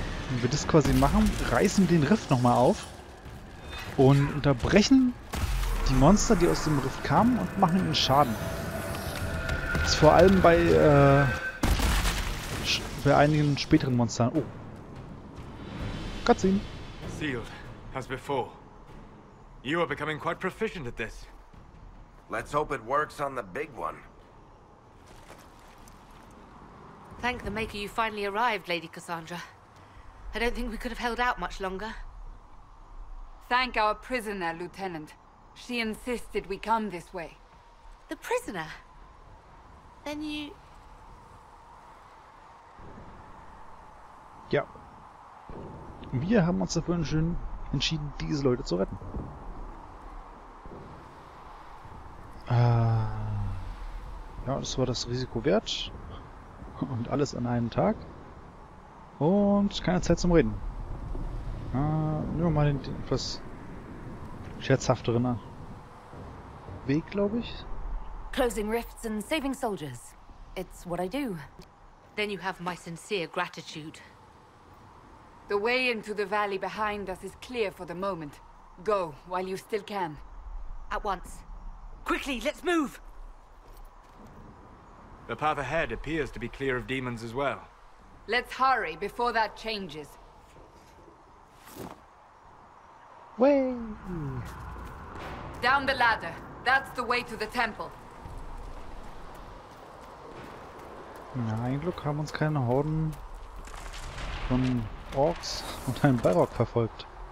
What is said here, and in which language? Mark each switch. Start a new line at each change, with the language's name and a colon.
German: Wenn wir das quasi machen, reißen den Rift nochmal auf und unterbrechen die Monster, die aus dem Rift kamen, und machen ihnen Schaden. Das ist vor allem bei einigen späteren Monstern.
English: Oh. Cutscene. Sealed, as before. You are becoming quite proficient at this. Let's hope it works on the big one. Thank the Maker you finally arrived, Lady Cassandra. I don't think we could have held out much longer. Thank our prisoner, Lieutenant. She insisted we come this way. The prisoner? Then you...
German: Ja. Wir haben uns dafür entschieden, diese Leute zu retten. Ja, das war das Risiko wert. Und alles an einem Tag. Und keine Zeit zum Reden. Nehmen wir mal den etwas scherzhafteren Weg, glaube ich.
English: Closing rifts and saving soldiers. It's what I do. Then you have my sincere gratitude. The way into the valley behind us is clear for the moment. Go, while you still can. At once. Quickly, let's move! The path ahead appears to be clear of demons as well. Let's hurry before that changes. Way! Down the ladder. That's the way to the temple.
German: Na, eigentlich haben uns keine Horden von Orks und einem Balrog verfolgt.